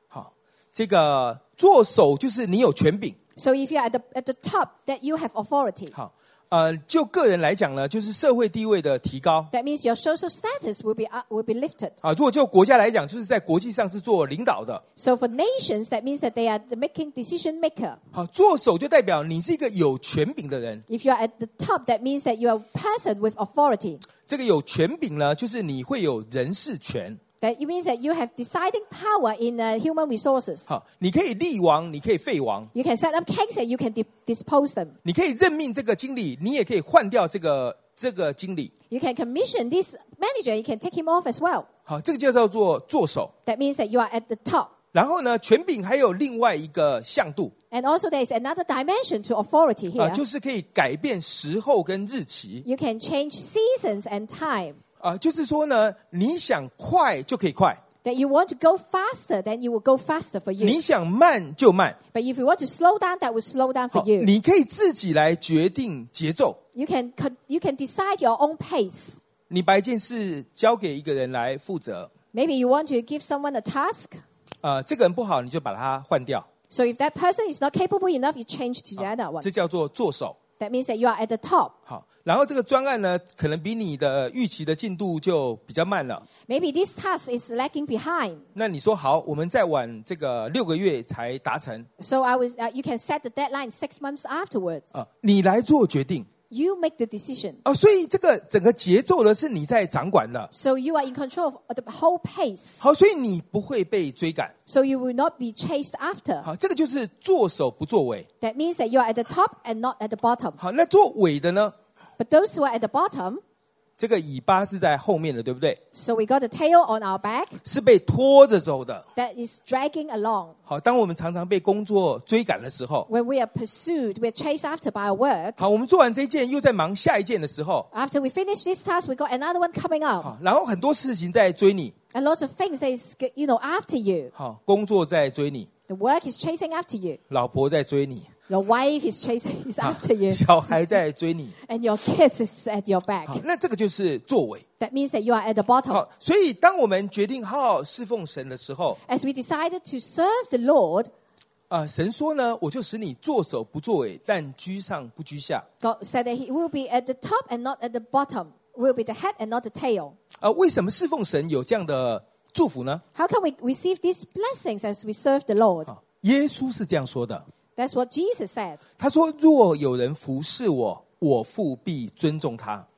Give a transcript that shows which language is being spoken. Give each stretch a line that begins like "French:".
Chinese: 好，这个坐首就是你有权柄。
English: So if you are at the top, that you have authority.
Chinese: 好，就个人来讲呢，就是社会地位的提高。
English: That means your social status will be lifted.
Chinese: 啊，如果就国家来讲，就是在国际上是做领导的。
English: So for nations, that means that they are the making decision maker.
Chinese: 好，坐首就代表你是一个有权柄的人。
English: If you are at the top, that means that you are a person with authority.
Chinese: 这个有权柄呢，就是你会有人事权。
English: That means that you have deciding power in human resources.
Chinese: 好，你可以立王，你可以废王。
English: You can set up kings and you can dispose them.
Chinese: 你可以任命这个经理，你也可以换掉这个经理。
English: You can commission this manager, you can take him off as well.
Chinese: 好，这个就叫做坐首。
English: That means that you are at the top.
Chinese: 然后呢，权柄还有另外一个向度。
English: And also there is another dimension to authority here.
Chinese: 就是可以改变时候跟日期。
English: You can change seasons and time.
Chinese: 就是说呢，你想快就可以快。
English: That you want to go faster, then you will go faster for you.
Chinese: 你想慢就慢。
English: But if you want to slow down, that will slow down for you.
Chinese: 你可以自己来决定节奏。
English: You can decide your own pace.
Chinese: 你把一件事交给一个人来负责。
English: Maybe you want to give someone a task.
Chinese: 这个人不好，你就把他换掉。
English: So if that person is not capable enough, you change to the other one.
Chinese: 这叫做坐首。
English: That means that you are at the top.
Chinese: 好，然后这个专案呢，可能比你的预期的进度就比较慢了。
English: Maybe this task is lagging behind.
Chinese: 那你说好，我们再晚这个六个月才达成。
English: So I was, you can set the deadline 6 months afterwards.
Chinese: 你来做决定。
English: You make the decision.
Chinese: 所以这个整个节奏呢是你在掌管的。
English: So you are in control of the whole pace.
Chinese: 好，所以你不会被追赶。
English: So you will not be chased after.
Chinese: 好，这个就是坐首不坐尾。
English: That means that you are at the top and not at the bottom.
Chinese: 好，那坐尾的呢？
English: But those who are at the bottom,
Chinese: 这个尾巴是在后面的，对不对
English: ？So we got a tail on our back.
Chinese: 是被拖着走的。
English: That is dragging along.
Chinese: 好，当我们常常被工作追赶的时候
English: ，When we are pursued, we are chased after by our work.
Chinese: 好，我们做完这件又在忙下一件的时候
English: ，After we finish this task, we got another one coming up.
Chinese: 好，然后很多事情在追你
English: ，And lots of things that is you know after you.
Chinese: 好，工作在追你
English: ，The work is chasing after you.
Chinese: 老婆在追你。
English: Your wife is chasing, is after you.
Chinese: 小孩在追你。
English: And your kids is at your back.
Chinese: 好，那这个就是坐尾。
English: That means that you are at the bottom.
Chinese: 好，所以当我们决定好好侍奉神的时候
English: ，As we decided to serve the Lord,
Chinese: 神说呢，我就使你坐首不坐尾，但居上不居下。
English: God said that He will be at the top and not at the bottom. Will be the head and not the tail.
Chinese: 为什么侍奉神有这样的祝福呢
English: ？How can we receive these blessings as we serve the Lord?
Chinese: 耶稣是这样说的。
English: That's what Jesus said.
Chinese: 他说若有人服侍我我父必尊重他。